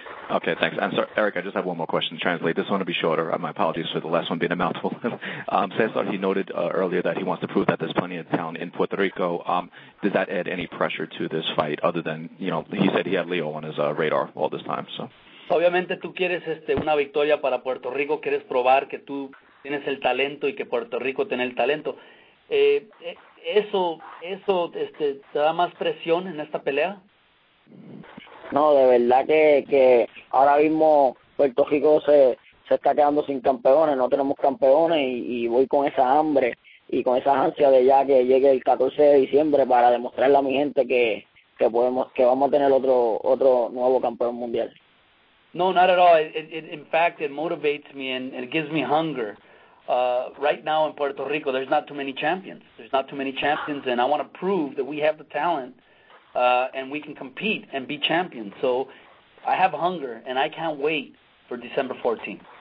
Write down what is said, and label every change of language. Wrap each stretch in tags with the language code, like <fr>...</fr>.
<en>Okay, thanks. I'm sorry, Eric, I just have one more question to translate. This one will be shorter. My apologies for the last one being a mouthful. Cesar, he noted earlier that he wants to prove that there's plenty of talent in Puerto Rico. Does that add any pressure to this fight other than, you know, he said he had Leo on his radar all this time, so...</en> <es>Obviamente tú quieres una victoria para Puerto Rico, quieres probar que tú tienes el talento y que Puerto Rico tiene el talento. ¿Eso te da más presión en esta pelea? No, de verdad que ahora mismo Puerto Rico se está quedando sin campeones, no tenemos campeones y voy con esa hambre y con esa ansia de ya que llegue el 14 de diciembre para demostrarle a mi gente que podemos, que vamos a tener otro nuevo campeón mundial.</es> <en>No, not at all. In fact, it motivates me and it gives me hunger. Right now in Puerto Rico, there's not too many champions. There's not too many champions, and I want to prove that we have the talent and we can compete and be champions. So I have hunger, and I can't wait for December 14th.</en>